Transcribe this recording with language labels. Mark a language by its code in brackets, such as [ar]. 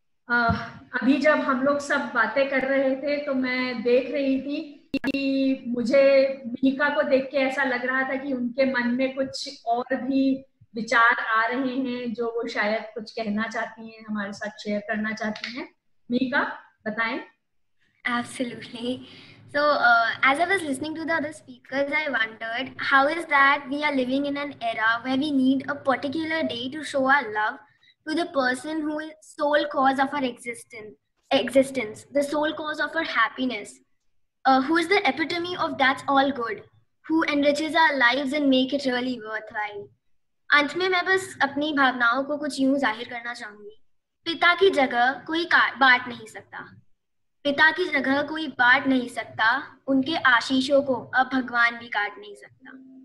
[hi] अभी जब हम लोग सब बातें कर रहे थे तो मैं देख रही थी कि मुझे मीका को देख के ऐसा लग रहा था कि उनके मन में कुछ और भी विचार आ रहे हैं जो वो शायद कुछ कहना चाहती हैं, हमारे साथ शेयर करना चाहती हैं। मीका बताएं। [en] Absolutely. So, as I was listening to the other speakers, I wondered how is that we are living in an era where we need a particular day to show our love to the person who is sole cause of our existence, the sole cause of our happiness, who is the epitome of that's all good, who enriches our lives and make it really worthwhile. [hi] अंत में मैं बस अपनी भावनाओं को कुछ यूं जाहिर करना चाहूंगी। पिता की जगह कोई बांट नहीं सकता, पिता की जगह कोई बांट नहीं सकता, उनके आशीषों को अब भगवान भी काट नहीं सकता।